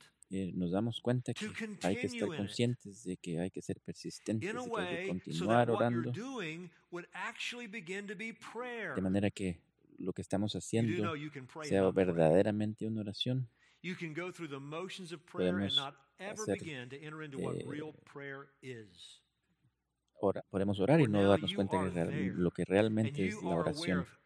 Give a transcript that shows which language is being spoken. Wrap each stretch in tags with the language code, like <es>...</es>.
<es>Nos damos cuenta que hay que estar conscientes de que hay que ser persistentes, de que hay que continuar orando, de manera que lo que estamos haciendo sea verdaderamente una oración.</es> <en>You can go through the motions of prayer and not ever begin to enter into what real prayer is.</en> <es>Podemos orar y no darnos cuenta de lo que realmente es la oración.</es>